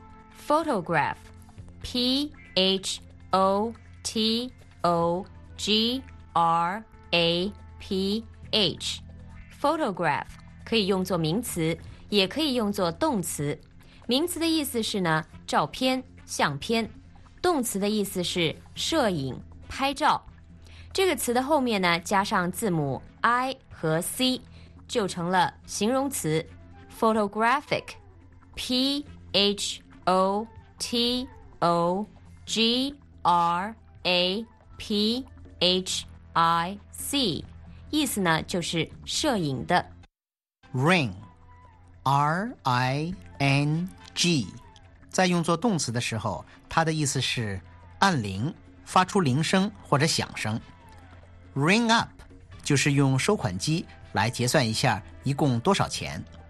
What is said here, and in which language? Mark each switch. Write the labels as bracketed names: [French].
[English] Photograph, P-H-O-T-O-G-R-A-P-H. [Chinese] Photograph 可以用作名词，也可以用作动词。名词的意思是呢，照片、相片。动词的意思是摄影、拍照。这个词的后面呢，加上字母 I 和 C， 就成了形容词 photographic， P H O T O G R A P H I C， 意思呢就是摄影的。 Ring， R I N G， 在用作动词的时候，它的意思是按铃，发出铃声或者响声。 Ring up 就是用收款机来结算一下一共多少钱。